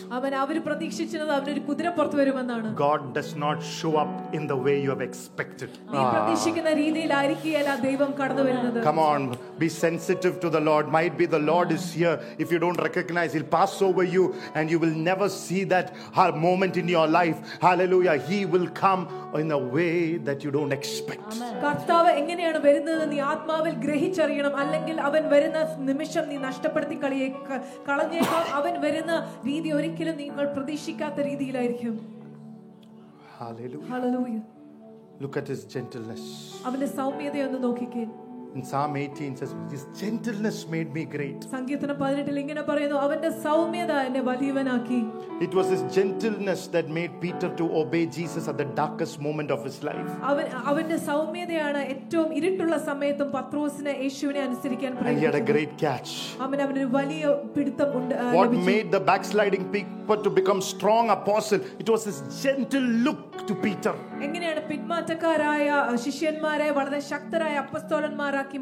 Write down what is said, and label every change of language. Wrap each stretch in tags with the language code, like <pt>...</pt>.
<ml>അവൻ അവർ പ്രതീക്ഷിച്ചിരുന്നത് അവനൊരു കുതിരപ്പുറത്ത് വരുമെന്നാണ്.</ml> <en>God does not show up in the way you have expected.</en> <ml>നീ പ്രതീക്ഷിക്കുന്ന രീതിയിലായിരിക്കില്ല ദൈവം കടന്നു വരുന്നത്.</ml> <en>Come on, be sensitive to the Lord. Might be the Lord is here. If you don't recognize, he'll pass over you and you will never see that moment in your life. Hallelujah. He will come in a way that you don't expect.</en> <ml>കർത്താവ് എങ്ങനെയാണ് വരുന്നത് നീ ആത്മാവിൽ ഗ്രഹിച്ചറിയണം. അല്ലെങ്കിൽ അവൻ വരുന്ന നിമിഷം നീ നഷ്ടപ്പെടുത്തി കളഞ്ഞേക്കാം. അവൻ വരുന്ന രീതി ഒരിക്കലും നിങ്ങൾ പ്രതീക്ഷിക്കാത്ത രീതിയിലായിരിക്കും. Hallelujah. Hallelujah.</ml> <en>Look at his gentleness.</en> <ml>അവന്റെ സൗമ്യതയൊന്ന് നോക്കിക്കേ.</ml> <en>In Psalm 18 says his gentleness made me great.</en> <ml>സംഗീതം 18 ഇങ്ങനെ പറയുന്നു അവന്റെ സൗമ്യത എന്നെ വലിയവനാക്കി.</ml> <en>It was his gentleness that made Peter to obey Jesus at the darkest moment of his life.</en> <ml>അവന്റെ സൗമ്യതയാണ് ഏറ്റവും ഇരുട്ടുള്ള സമയത്തും പത്രോസിനെ യേശുവിനെ അനുസരിക്കാൻ പ്രേരിപ്പിച്ചത്.</ml> <en>And he had a great catch.</en> <ml>അവനൊരു വലിയ പിടുത്തം ഉണ്ട്.</ml> <en>What made the backsliding Peter to become strong apostle? It was his gentle look to Peter.</en> <ml>എങ്ങനെയാണ് പിന്മാറ്റക്കാരായ ശിഷ്യന്മാരെ വളരെ ശക്തരായ അപ്പസ്തോലന്മാർ</ml>